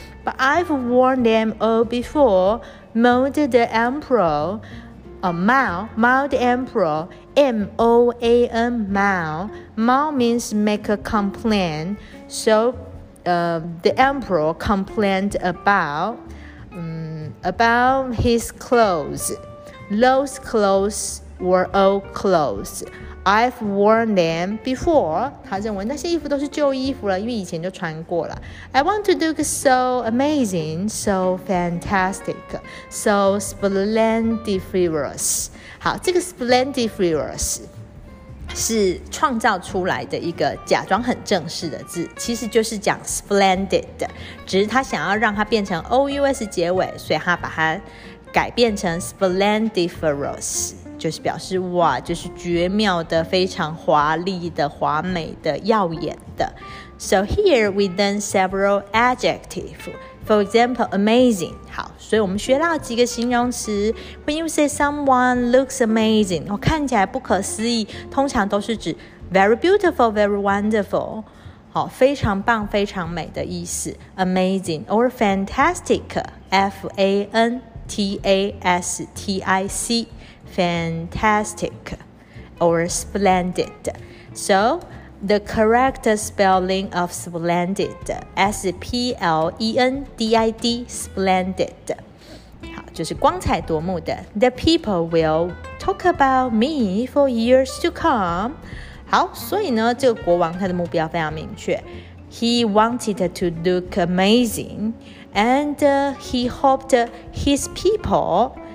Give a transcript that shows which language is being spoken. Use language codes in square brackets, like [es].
[en] But I've worn them all before, mouthed the emperor, mouthed emperor, M-O-A-N, mouth. Mouth means make a complaint, so the emperor complained about his clothes. Those clothes were old clothes. I've worn them before. [zh] 他认为那些衣服都是旧衣服了，因为以前就穿过了。 [en] I want to look so amazing, so fantastic, so splendiferous. [zh] 好，这个 splendiferous 是创造出来的一个假装很正式的字，其实就是讲 splendid， 只是他想要让它变成 ous 结尾，所以他把它改变成 splendiferous。就是表示哇，就是绝妙的，非常华丽的，华美的，耀眼的。 [en] So here we learn several adjectives. For example, amazing. [zh] 好，所以我们学到几个形容词。 [en] When you say someone looks amazing, [zh] 看起来不可思议，通常都是指 [en] very beautiful, very wonderful. [zh] 好，非常棒，非常美的意思。 [en] Amazing or fantastic, FANTASTIC. Fantastic or splendid. So, the correct spelling of splendid, S-P-L-E-N-D-I-D, splendid. [zh] 好，就是光彩夺目的。 [en] The people will talk about me for years to come. [zh] 好，所以呢，这个国王他的目标非常明确。 [en] He wanted to look amazing, and he hoped his people...